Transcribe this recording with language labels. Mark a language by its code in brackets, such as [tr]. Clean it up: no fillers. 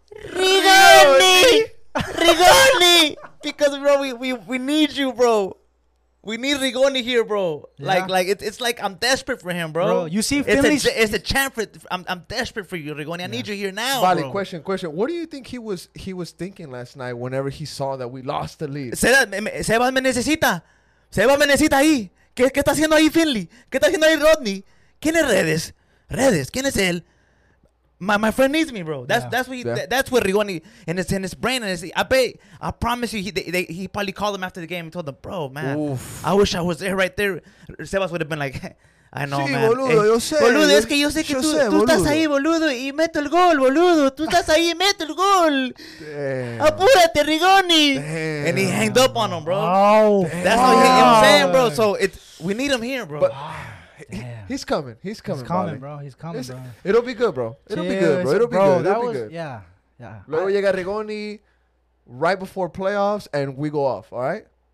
[en] Rigoni. Rigoni. Because bro, we need you, bro. We need Rigoni here, bro. Yeah. Like it's like I'm desperate for him, bro. You see, Finley's it's a champ. I'm desperate for you, Rigoni. Yeah. I need you here now, Bonnie, bro. Question. What do you think he was thinking last night whenever he saw that we lost the lead? [es] Seba me necesita. Seba me necesita ahí. ¿Qué está haciendo ahí, Finley? ¿Qué está haciendo ahí, Rodney? ¿Quién es Redes? Redes. ¿Quién es él? [en] My friend needs me, bro. That's what Rigoni in his brain and I promise you he probably called him after the game and told him, bro, man, oof. I wish I was there right there. Sebas would have been like, I know, [es] sí, [en] man. [es] Boludo, hey, yo sé. Boludo, es que yo sé que yo tú estás ahí, boludo, y meto el gol, boludo. Tú estás ahí, meto el gol. [en] Damn. [es] Apúrate, Rigoni. [en] Damn. And he hanged up on him, bro. Oh, that's wow. What I'm saying, bro. So we need him here, bro. But, damn. He's coming, bro. It'll be good, bro. It'll be good. Yeah. [es] Luego llega [en] Rigoni right before playoffs and we go off, all right?